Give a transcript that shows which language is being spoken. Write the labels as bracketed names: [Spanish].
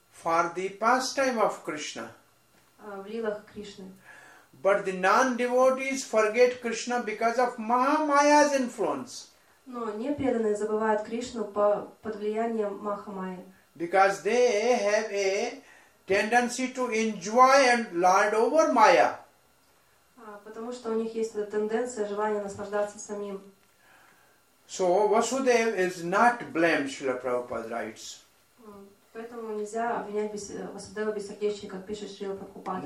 [English] For the pastime of Krishna. [Russian] В лилах Кришны. [English] But the non-devotees forget Krishna because of Mahamaya's influence. [Russian] Но непреданные забывают Кришну под влиянием Махамайи. [English] Because they have a tendency to enjoy and lord over Maya. [Russian] Потому что у них есть эта тенденция, желание наслаждаться самим. [English] So Vasudeva is not blamed, Srila Prabhupada writes. [Russian] Поэтому нельзя обвинять Васудева бессердечие, как пишет Шрила Прабхупада.